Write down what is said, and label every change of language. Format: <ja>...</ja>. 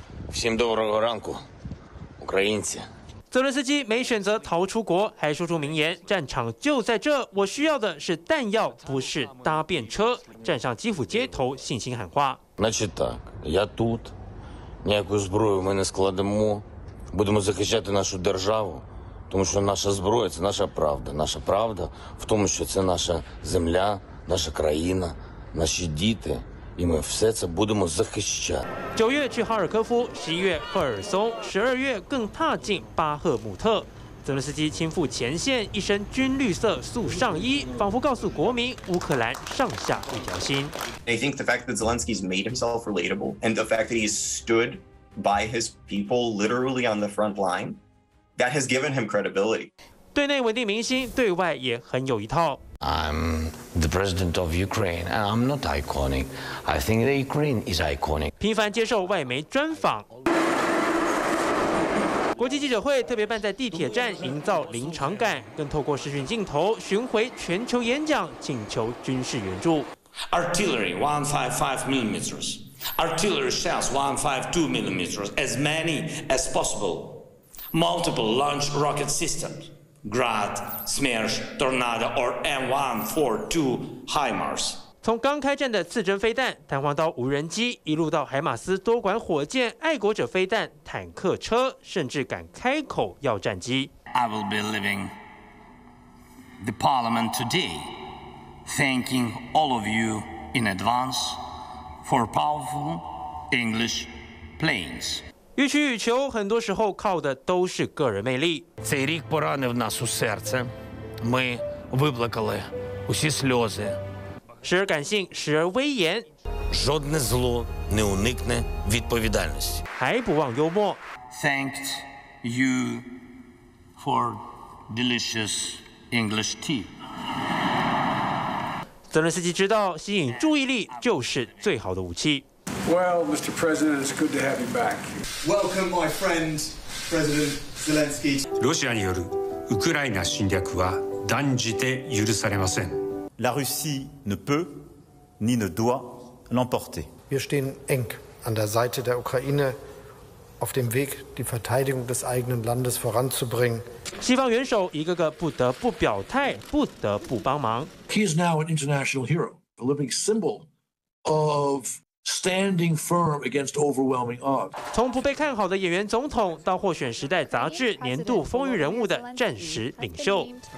<uk>Всім доброго ранку, українці。</uk> <zh>泽伦斯基没选择逃出国，还说出名言：“战场就在这，我需要的是弹药，不是搭便车。” 站上基辅街头，信心喊话。</zh> <uk>Значить так, я тут. Ніяку зброю ми не складемо. Будемо захищати нашу державу, тому що наша зброя – це наша правда. Наша правда в тому, що це наша земля. Наша країна, наші діти, і ми все це будемо захищати.</uk> <zh>9月去哈尔科夫，11月赫尔松，12月更踏进巴赫姆特。泽伦斯基亲赴前线，一身军绿色素上衣，仿佛告诉国民乌克兰上下一条心。</zh> <en>I think the fact that Zelensky's made himself relatable and the fact that he's stood by his people literally on the front line, that has given him credibility.</en> <zh>对内稳定民心，对外也很有一套。</zh> <en>I'm the president of Ukraine, and I'm not iconic. I think the Ukraine is iconic.</en> <zh>频繁接受外媒专访，国际记者会特别办在地铁站，营造临场感，更透过视讯镜头巡回全球演讲，请求军事援助。</zh> <en>Artillery 155mm, artillery shells 152mm, as many as possible. Multiple launch rocket systems. Grad, Smersh, Tornado, or M142 HIMARS.</en> <zh>从刚开战的刺针飞弹、弹簧刀无人机，一路到海马斯多管火箭、爱国者飞弹、坦克车，甚至敢开口要战机。</zh> <en>I will be leaving the Parliament today, thanking all of you in advance for powerful English planes.</en> <zh>予取予求，很多时候靠的都是个人魅力。</zh> <uk>Цей рік поранив нас у серце. Ми виплакали усі сльози.</uk> <zh>时而感性，时而威严。</zh> <uk>Жодне зло не уникне відповідальності.</uk> <zh>还不忘幽默。</zh> <en>Thanked you for delicious English tea.</en> <zh>泽伦斯基知道，吸引注意力就是最好的武器。</zh> <en>Well, Mr. President, it's good to have you back. Welcome, my friend, President Zelensky.</en> <ja>ロシアによるウクライナ侵略は断じて許されません。</ja> <fr>La Russie ne peut ni ne doit l'emporter.</fr> <de>Wir stehen eng an der Seite der Ukraine auf dem Weg, die Verteidigung des eigenen Landes voranzubringen.</de> <zh>西方元首一个个不得不表态，不得不帮忙。</zh> <en>He is now an international hero, a living symbol of standing firm against overwhelming odds.</en> <zh>从不被看好的演员总统，到获选《时代》杂志年度风云人物的战时领袖。</zh>